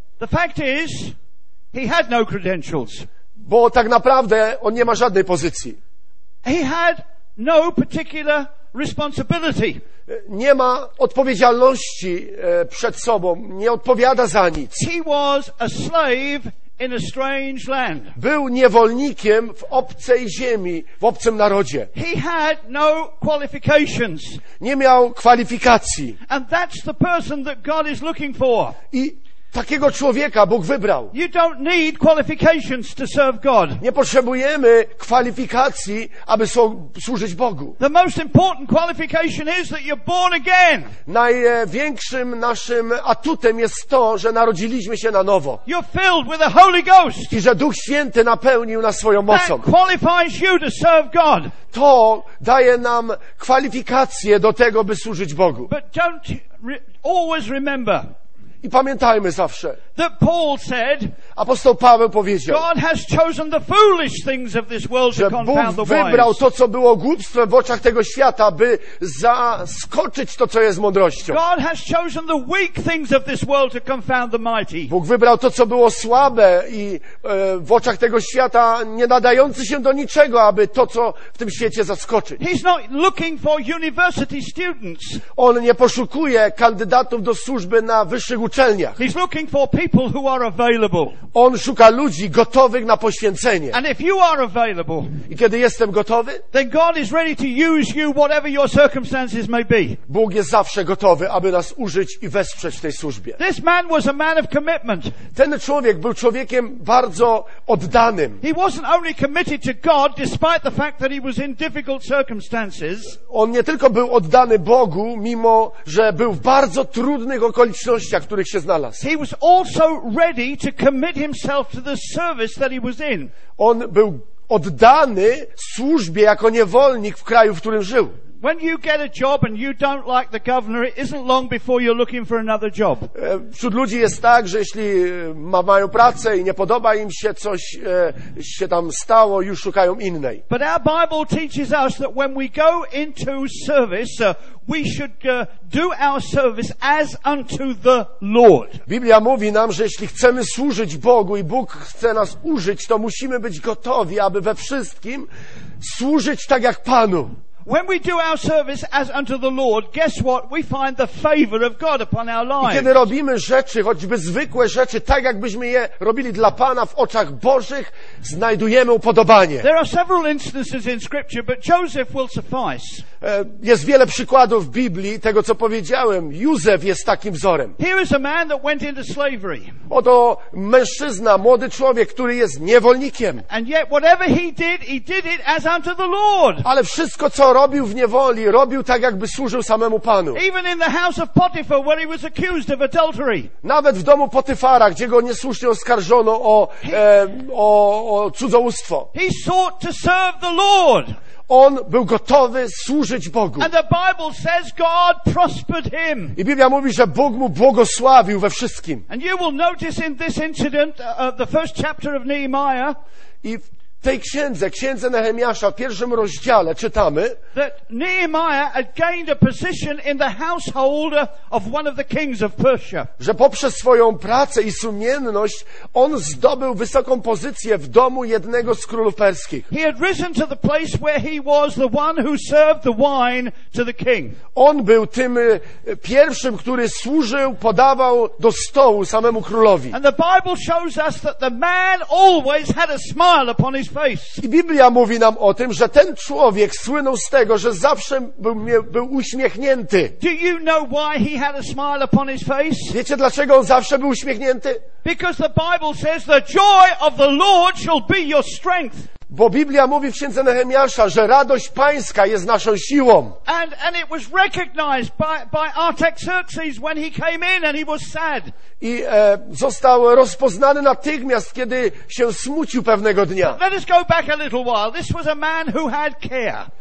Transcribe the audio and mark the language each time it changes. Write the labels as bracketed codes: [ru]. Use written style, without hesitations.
[en] The fact is, he had no credentials. [pl] Bo tak naprawdę on nie ma żadnej pozycji. [en] He had no particular responsibility. [pl] Nie ma odpowiedzialności przed sobą, nie odpowiada za nic. [en] He was a slave in a strange land. [pl] Był niewolnikiem w obcej ziemi, w obcym narodzie. [en] He had no qualifications. [pl] Nie miał kwalifikacji. [en] And that's the person that God is looking for. [pl] I takiego człowieka Bóg wybrał. [en] You don't need qualifications to serve God. [pl] Nie potrzebujemy kwalifikacji, aby służyć Bogu. [en] The most important qualification is that you're born again. [pl] Największym naszym atutem jest to, że narodziliśmy się na nowo. [en] You're filled with the Holy Ghost. [pl] I że Duch Święty napełnił nas swoją mocą. [en] That qualifies you to serve God. [pl] To daje nam kwalifikacje do tego, by służyć Bogu. [en] But don't always remember. [pl] I pamiętajmy zawsze. [en] That Paul said, [pl] apostoł Paweł powiedział, [en] God has chosen the foolish things of this world to confound the wise. [pl] Że Bóg wybrał to, co było głupstwem w oczach tego świata, by zaskoczyć to, co jest mądrością. [en] God has chosen the weak things of this world to confound the mighty. [pl] Bóg wybrał to, co było słabe i w oczach tego świata nie nadający się do niczego, aby to, co w tym świecie zaskoczyć. [en] He's not looking for university students. [pl] On nie poszukuje kandydatów do służby na wyższych uczelniach. [en] He's looking for people who are available. [pl] On szuka ludzi gotowych na poświęcenie. [en] And if you are available, [pl] i kiedy jestem gotowy, [en] then God is ready to use you whatever your circumstances may be. [pl] Bóg jest zawsze gotowy, aby nas użyć i wesprzeć w tej służbie. [en] This man was a man of commitment. [pl] Ten człowiek był człowiekiem bardzo oddanym. [en] He wasn't only committed to God despite the fact that he was in difficult circumstances. [pl] On nie tylko był oddany Bogu, mimo że był w bardzo trudnych okolicznościach, w których się znalazł. [en] He was also ready to commit himself to the service that he was in. [pl] On był oddany służbie jako niewolnik w kraju, w którym żył. [en] When you get a job and you don't like the governor, it isn't long before you're looking for another job. [pl] Wśród ludzi jest tak, że jeśli mają pracę i nie podoba im się coś się tam stało, już szukają innej. [en] But our Bible teaches us that when we go into service, we should do our service as unto the Lord. [pl] Biblia mówi nam, że jeśli chcemy służyć Bogu i Bóg chce nas użyć, to musimy być gotowi, aby we wszystkim służyć tak jak Panu. [en] When we do our service as unto the Lord, guess what? We find the favor of God upon our lives. [pl] I kiedy robimy rzeczy, choćby zwykłe rzeczy, tak jakbyśmy je robili dla Pana w oczach Bożych, znajdujemy upodobanie. [en] There are several instances in scripture, but Joseph will suffice. [pl] Jest wiele przykładów w Biblii tego, co powiedziałem. Józef jest takim wzorem. [en] Here is a man that went into slavery. [pl] Oto mężczyzna, młody człowiek, który jest niewolnikiem. [en] And yet whatever he did it as unto the Lord. [pl] Ale wszystko, co robił w niewoli, robił tak, jakby służył samemu Panu. [en] Even in the house of Potiphar, where he was accused of adultery. [pl] Nawet w domu Potyfara, gdzie go niesłusznie oskarżono o cudzołóstwo. [en] He sought to serve the Lord. [pl] On był gotowy służyć Bogu. [en] And the Bible says God prospered him. [pl] I Biblia mówi, że Bóg mu błogosławił we wszystkim. [en] And you will notice in this incident, the first chapter of Nehemiah, [pl] i tej księdze, księdze Nehemiasza, w pierwszym rozdziale czytamy, [en] that Nehemiah had gained a position in the household of one of the kings of Persia. [pl] Że poprzez swoją pracę i sumienność on zdobył wysoką pozycję w domu jednego z królów perskich. [en] He had risen to the place where he was the one who served the wine to the king. [pl] On był tym pierwszym, który służył, podawał do stołu samemu królowi. [en] And the Bible shows us that the man always had a smile upon his face. [pl] I Biblia mówi nam o tym, że ten człowiek słynął z tego, że zawsze był uśmiechnięty. [en] Do you know why he had a smile upon his face? [pl] Wiecie, dlaczego on zawsze był uśmiechnięty? [en] Because the Bible says the joy of the Lord shall be your strength. [pl] Bo Biblia mówi w księdze Nehemiasza, że radość Pańska jest naszą siłą. [en] And it was recognized by Artaxerxes when he came in and he was sad. [pl] I został rozpoznany natychmiast, kiedy się smucił pewnego dnia. [en] Let us go back a little while. This was a man who had care.